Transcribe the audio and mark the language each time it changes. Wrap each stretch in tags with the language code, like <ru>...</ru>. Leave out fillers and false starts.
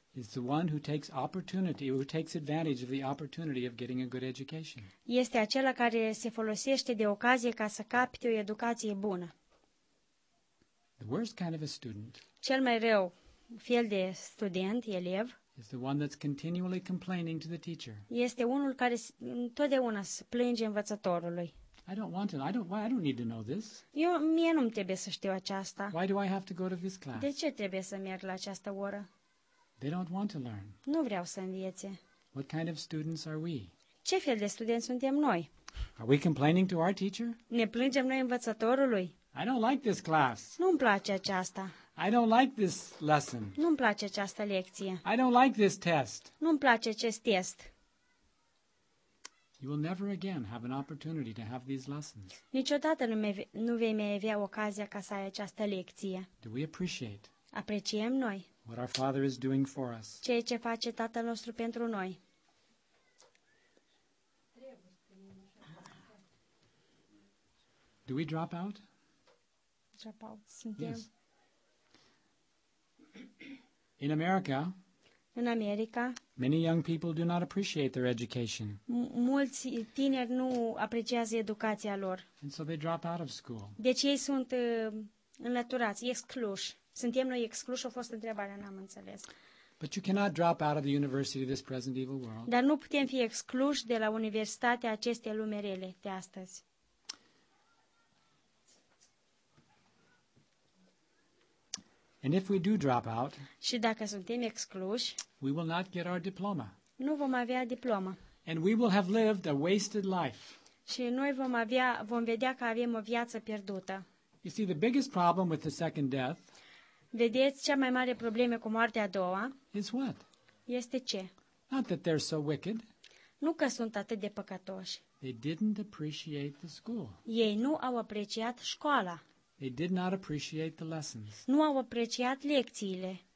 <en>Is the one who takes opportunity, who takes advantage of the opportunity of getting a good education.</en> <ro>Este acela care se folosește de ocazie ca să capte o educație bună.</ro> <en>The worst kind of a student.</en> <ro>Cel mai rău fel de student, elev.</ro> <en>Is the one that's continually complaining to the teacher.</en> <ro>Este unul care întotdeauna se plânge învățătorului.</ro> <en>I don't want it. I don't need to know this.</en> <ro>Eu mie nu trebuie să știu aceasta.</ro> <en>Why do I have to go to this class?</en> <ro>De ce trebuie să merg la această oră?</ro> <en>They don't want to learn.</en> <ro>Nu vreau să învețe.</ro> <en>What kind of students are we?</en> <ro>Ce fel de studenți suntem noi?</ro> <en>Are we complaining to our teacher?</en> <ro>Ne plângem noi învățătorului?</ro> <en>I don't like this class.</en> <ro>Nu-mi place aceasta.</ro> <en>I don't like this lesson.</en> <ro>Nu-mi place această lecție.</ro> <en>I don't like this test.</en> <ro>Nu-mi place acest test.</ro> <en>You will never again have an opportunity to have these lessons.</en> <ro>Niciodată nu vei mai avea ocazia ca să ai această lecție.</ro> <en>Do we appreciate?</en> <ro>Apreciem noi.</ro> <en>What our Father is doing for us.</en> <ro>Ceea ce face Tatăl nostru pentru noi.</ro> <en>Do we drop out? Drop out.</en> <ro>Suntem.</ro> <en>Yes. In America. In America, many young people do not appreciate their education.</en> <ro>Mulți tineri nu apreciază educația lor.</ro> <en>And so they drop out of school.</en> <ro>Deci ei sunt înlăturați, excluși. Suntem noi excluși? A fost întrebarea, n-am înțeles.</ro> <en>But you cannot drop out of the university of this present evil world.</en> <ro>Dar nu putem fi excluși de la universitatea acestei lume rele de astăzi.</ro> <en>And if we do drop out,</en> <ro>și dacă suntem excluși,</ro> <en>we will not get our diploma.</en> <ro>Nu vom avea diploma.</ro> <en>And we will have lived a wasted life.</en> <ro>Și noi vom vedea că avem o viață pierdută.</ro> <en>You see, the biggest problem with the second death,</en> <ro>vedeți, cea mai mare problemă cu moartea a doua,</ro> <en>is what?</en> <ro>Este ce?</ro> <en>Not that they're so wicked.</en> <ro>Nu că sunt atât de păcătoși.</ro> <en>They didn't appreciate the school.</en> <ro>Ei nu au apreciat școala.</ro> <en>They did not appreciate the lessons.</en> <ro>Nu au apreciat lecțiile.</ro>